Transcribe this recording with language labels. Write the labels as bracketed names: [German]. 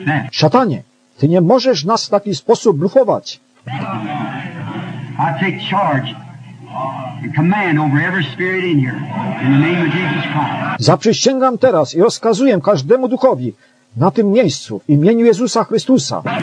[Polish] Szatanie, ty nie możesz nas w taki sposób blufować. [English] I take charge and command over every spirit in here in the name of Jesus Christ. [Polish] Zaprzysięgam teraz i rozkazuję każdemu duchowi na tym miejscu w imieniu Jezusa Chrystusa.